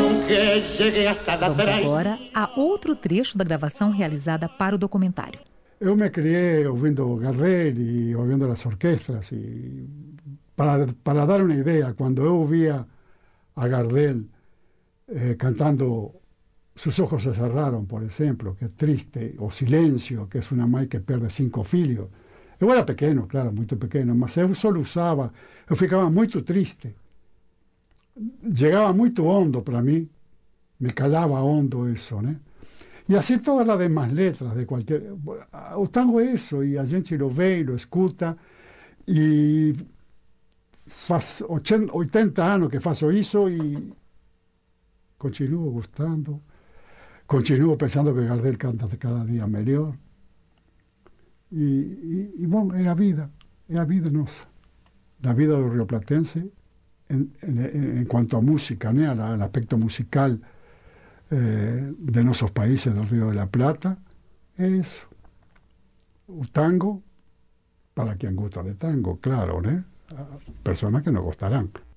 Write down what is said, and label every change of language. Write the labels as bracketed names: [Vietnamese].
[Portuguese] Vamos agora a outro trecho da gravação realizada para o documentário. Eu me criei ouvindo o Garrel e ouvindo as orquestras e... [Spanish] Para dar una idea, cuando yo veía a Gardel cantando Sus ojos se cerraron, por ejemplo, que es triste, o Silencio, que es una madre que pierde 5 hijos. Yo era pequeño, claro, muy pequeño, mas yo solo usaba, yo ficaba muy triste. Llegaba muy hondo para mí, me calaba hondo eso, ¿no? Y así todas las demás letras de cualquier... O tango es eso, y [Portuguese] a gente [Spanish] lo ve y lo escucha, y... [Portuguese] Faz 80 anos que faço isso e continuo gostando, continuo pensando que Gardel canta cada dia melhor. E bom, é a vida nossa. [Spanish] la vida do rioplatense en cuanto a música, né, al aspecto musical de nuestros países del Río de la Plata, es un tango para quien gusta de tango, claro, né, personas que no gustarán.